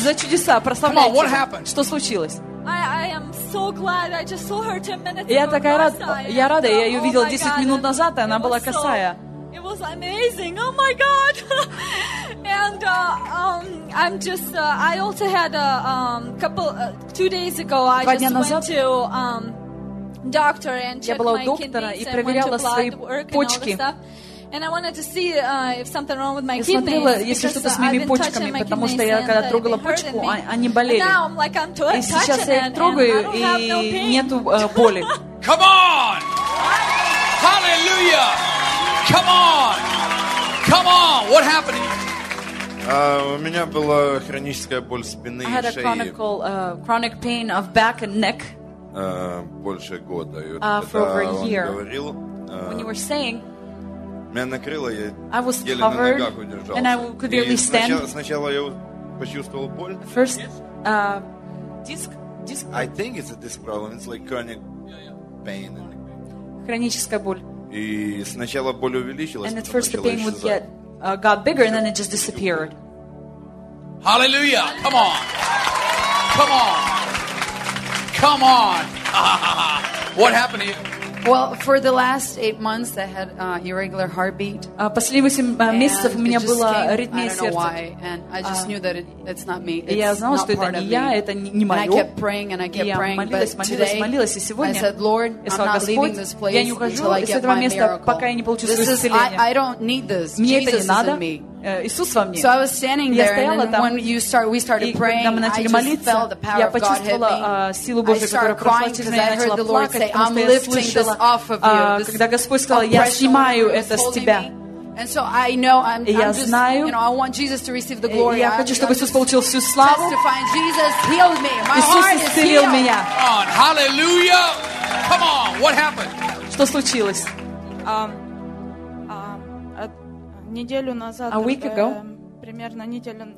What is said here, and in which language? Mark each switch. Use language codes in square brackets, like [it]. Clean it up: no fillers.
[ru] За чудеса прославляйте. [en] Come on, what happened? [ru] Что случилось? [en] I am so glad. I just saw her 10 minutes [ru] ago. Я такая рада. Я рада. Я ее видела 10 минут назад, и она была косая. [en] It was amazing. Oh my God. And I'm just I also had a couple 2 days ago I just went [ru] назад, [en] to doctor and checked my kidneys and went to blood work [ru] почки. [en] And all this stuff. And I wanted to see if something wrong with my [ru] я [en] kidneys. [ru] Я смотрела, если что-то с моими почками, потому что я когда трогала почку, они болели. [en] And now I'm like I'm touching [ru] it. И сейчас я трогаю и нету боли. [en] Come on! Hallelujah! Come on! Come on! What happened? [ru] У меня была хроническая боль спины и шеи. [en] I had a chronic pain of back and neck. [ru] Больше года. [en] For over a year. [ru] Говорил, [en] when you were saying. [ru] Меня накрыло, я [en] I was [ru] еле [en] covered, [ru] на ногах удержался. [en] And I could barely stand. Сначала я почувствовал боль. First, disc. I think it's a disc problem. It's like chronic pain. [ru] Хроническая боль. И сначала боль увеличилась. [en] And at first the pain would get got bigger, and then it just disappeared. Hallelujah! Come on! Come on! Come on! What happened to you? Well, for the last 8 months, I had irregular heartbeat. [ru] Последние 8 месяцев у меня была аритмия сердца. [en] I don't know why, and I just knew that it's not me. [ru] Я знала, что это не я, это не мое. [en] And I kept praying and I kept praying, but today I said, Lord, I'm not leaving this place until I get my miracle. This is I don't need this. Jesus is in me. [ru] Иисус во мне. [en] So I was standing there, and [ru] там, [en] when you start, we started praying, I just [ru] молиться, [en] felt the power of God hit me. [ru] Силу Божию, [en] I started crying because I heard the Lord say, "I'm lifting this off of you." And so I know I want Jesus to receive the glory. [ru] Я хочу, чтобы Иисус получил всю славу. [en] Testifying, Jesus healed me. My heart is healed. Come on, hallelujah! Come on, what happened? [ru] Что случилось? Неделю назад, [en] a week ago, [ru] примерно неделю